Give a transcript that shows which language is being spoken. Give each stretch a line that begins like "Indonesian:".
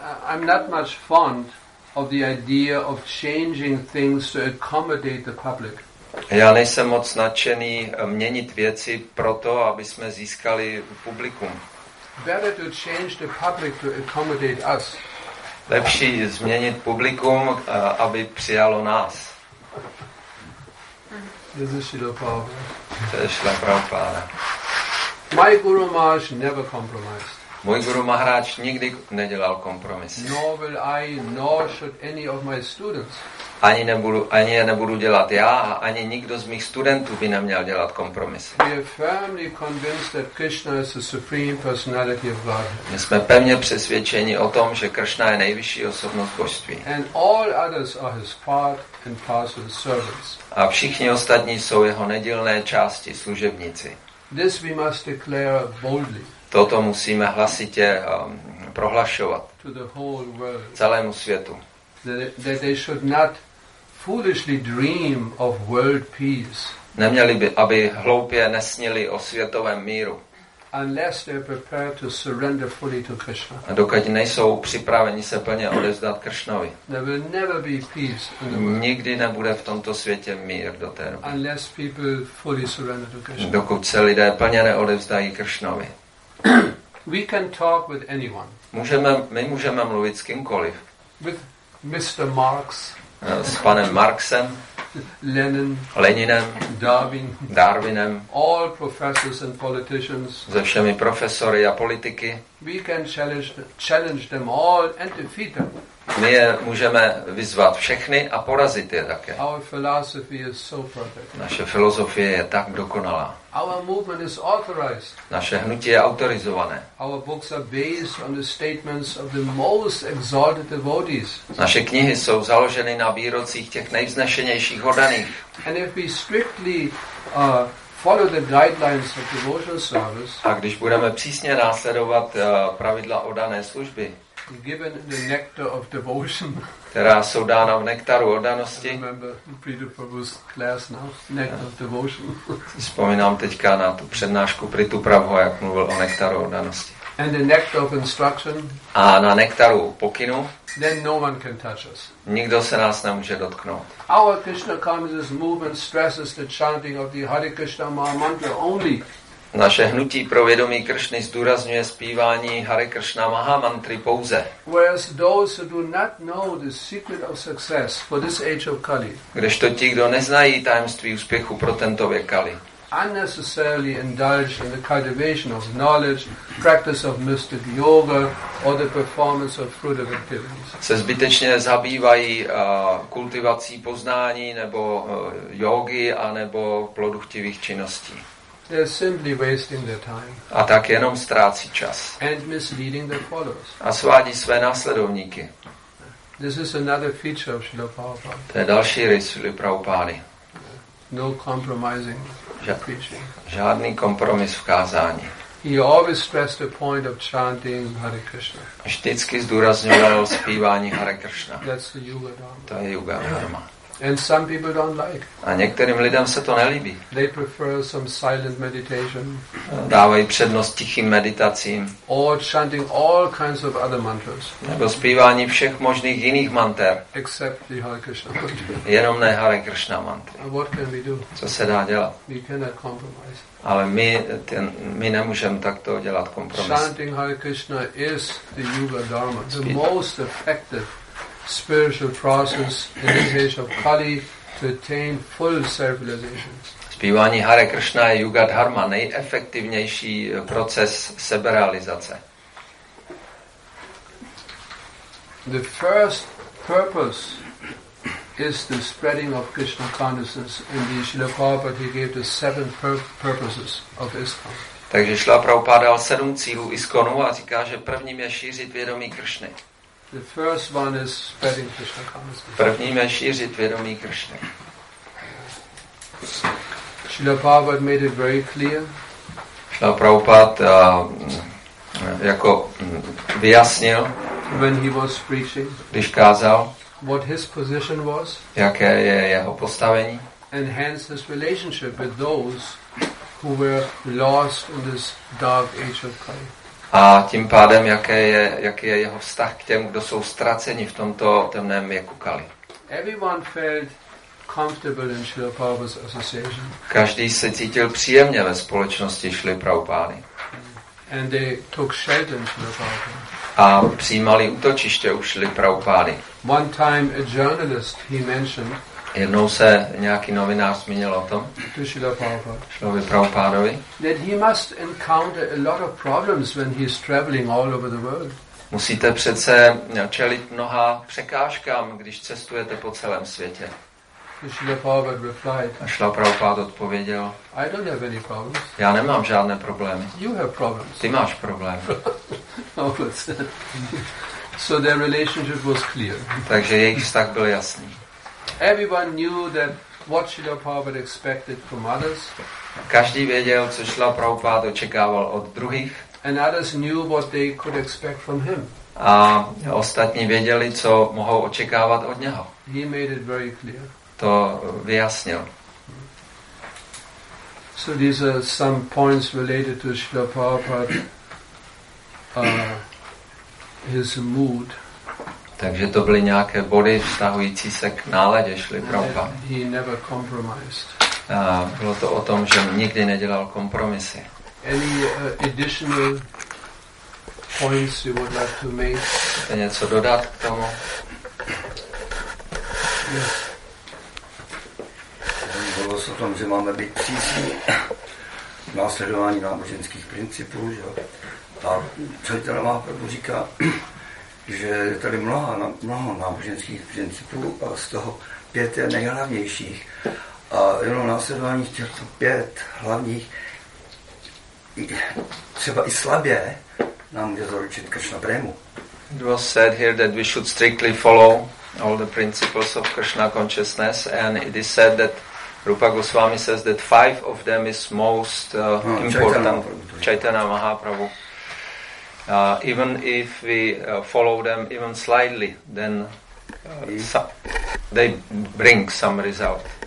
English: I'm not much fond of the idea of changing things to accommodate the public.
Czech: Já nejsem moc nadšený měnit věci proto, aby jsme získali publikum.
English: Better to change the public to accommodate us.
Czech: Lepší změnit publikum, aby přijalo nás. To je Šila Prabhupáda.
English: My Guru Maharaj never compromised.
Czech: Můj Guru Maharaj nikdy nedělal kompromis.
English: Nor will I, nor should any of my students.
Czech: Ani je nebudu dělat já a ani nikdo z mých studentů by neměl dělat kompromis.
English: We are firmly convinced that Krishna is the supreme personality of Godhead.
Czech: My jsme pevně přesvědčeni o tom, že Krishna je nejvyšší osobnost božství.
English: And all others are his part and parcel servants.
Czech: A všichni ostatní jsou jeho nedílné části, služebníci.
English: This we must declare boldly.
Czech: Toto musíme hlasitě prohlašovat celému světu.
English: That they should not foolishly dream of world peace.
Czech: Neměli by, aby hloupě nesnili o světovém míru.
English: Unless they are prepared to surrender fully to Krishna.
Czech: A dokud nejsou připraveni se plně odevzdat Krishnovi.
English: There will never be peace.
Czech: Nikdy nebude v tomto světě mír do té doby.
English: Unless people fully surrender to Krishna.
Czech: Dokud se lidé plně neodevzdají Krishnovi.
English: We can talk with anyone.
Czech: My můžeme mluvit s kýmkoliv.
English: With Mr. Marx.
Czech: S panem Marxem.
English: Leninem. Darwinem. All professors and politicians.
Czech: Se všemi profesory a politiky.
English: We can challenge them all and defeat them.
Czech: My je můžeme vyzvat všechny a porazit je také.
English: Our philosophy is so perfect.
Czech: Naše filozofie je tak dokonalá.
English: Our movement is authorized.
Czech: Naše hnutí je autorizované.
English: Our books are based on the statements of the most exalted devotees.
Czech: Naše knihy jsou založeny na výrocích těch nejvznešenějších oddaných.
English: And if we strictly follow the guidelines of devotional service.
Czech: A když budeme přísně následovat pravidla oddané služby.
English: Given the nectar of devotion.
Czech: Která jsou dána v nektaru oddanosti.
English: Remember Prita Prabhu's class now, nectar of devotion.
Czech: Vzpomínám teďka na tu přednášku Pritu Prabhu, jak mluvil o nektaru oddanosti.
English: And the nectar of instruction.
Czech: A na nektaru pokynu.
English: Then no one can touch us.
Czech: Nikdo se nás nemůže dotknout.
English: Our Krishna consciousness movement stresses the chanting of the Hare Krishna Maha Mantra only.
Czech: Naše hnutí pro vědomí Kršny zdůrazňuje zpívání Hare Krishna Maha Mantry pouze.
English: Whereas those who do not know the secret of success for this age of Kali.
Czech: Kdežto ti, kdo neznají tajemství úspěchu pro tento věk Kali.
English: Unnecessarily indulge in the cultivation of knowledge, practice of mystic yoga, or the performance of fruitive activities.
Czech: Se zbytečně zabývají kultivací poznání nebo jógy a nebo plodochtivých činností.
English: They are simply wasting their time.
Czech: A tak jenom ztrácí čas.
English: And misleading their followers.
Czech: A svádí své následovníky.
English: This is another feature of Srila Prabhupada.
Czech: To je další rys Srila Prabhupády.
English: No compromising.
Czech: Žádný kompromis v kázání.
English: He always stressed the point of chanting Hare Krishna.
Czech: Vždycky zdůrazňoval zpívání Hare Krishna.
English: That's the yoga dharma.
Czech: To je yoga dharma.
English: And some people don't like.
Czech: A některým lidem se to nelíbí.
English: They prefer some silent meditation.
Czech: Dávají přednost tichým meditacím.
English: Or chanting all kinds of other mantras.
Czech: Nebo zpívání všech možných jiných manter.
English: Except the Hare Krishna
Czech: mantra. Jenom ne Hare Krishna mantra.
English: What can we do?
Czech: Co se dá dělat?
English: We cannot compromise.
Czech: Ale my nemůžeme takto dělat kompromis.
English: Chanting Hare Krishna is the yoga dharma, the most effective spiritual process in this age of Kali to attain full self-realization.
Czech: Zpívání Hare Krishna je yuga dharma, nejefektivnější proces seberealizace.
English: The first purpose is the spreading of Krishna consciousness in the Srila Prabhupada, he gave the seven purposes of ISKCON.
Czech: Takže Srila Prabhupada dal sedm cílů ISKCONu a říká, že prvním je šířit vědomí Kršny.
English: The first one is spreading Krishna consciousness.
Czech: Prvním je šířit vědomí Kršny.
English: Srila Prabhupada made it very clear.
Czech: Srila Prabhupada jako vyjasnil,
English: when he was preaching,
Czech: když kázal,
English: what his position was,
Czech: jaké je jeho postavení,
English: and hence his relationship with those who were lost in this dark age of Kali.
Czech: A tím pádem jaký je jeho vztah k těm, kdo jsou ztraceni v tomto temném věku Kali.
English: Everyone felt comfortable in Srila Prabhupada's association.
Czech: Každý se cítil příjemně ve společnosti Srily Prabhupády.
English: And they took shelter in Srila Prabhupada.
Czech: A přijímali útočiště u Srily Prabhupády.
English: One time a journalist he mentioned.
Czech: Jednou se nějaký novinář zmínil o tom.
English: To Srila Prabhupada.
Czech: Srilovi Prabhupádovi.
English: That he must encounter a lot of problems when he's traveling all over the world.
Czech: Musíte přece čelit mnoha překážkám, když cestujete po celém světě.
English: Srila Prabhupada replied.
Czech: A Srila Prabhupada odpověděl.
English: I don't have any problems.
Czech: Já nemám žádné problémy.
English: You have problems.
Czech: Ty máš problémy.
English: So their relationship was clear.
Czech: Takže jejich vztah byl jasný.
English: Everyone knew that what Srila Prabhupada expected from others.
Czech: Každý věděl, co Srila Prabhupada očekával od druhých.
English: And others knew what they could expect from him.
Czech: A ostatní věděli, co mohou očekávat od něho.
English: He made it very clear.
Czech: To vyjasnil.
English: So these are some points related to Srila Prabhupada, his mood.
Czech: Takže to byly nějaké body vztahující se k náladě Srily Prabhupády.
English: He never compromised.
Czech: Bylo to o tom, že nikdy nedělal kompromisy.
English: Any additional points you would like to make?
Czech: Chcete něco dodat k tomu?
English: Yes.
Czech: Bylo o tom, že máme být přísní v následování náboženských principů, že? A co je teda má pravdu říká, že je tady mnoho náboženských principů a z toho pět je nejhlavnějších. A jenom následování těchto pět hlavních třeba i slabě nám může zaručit Krishna prému.
English: It was said here that we should strictly follow all the principles of Krishna consciousness and it is said that Rupa Goswami says that five of them is most important. Chaitanya Mahaprabhu. Even if we follow them even slightly, then they bring some result.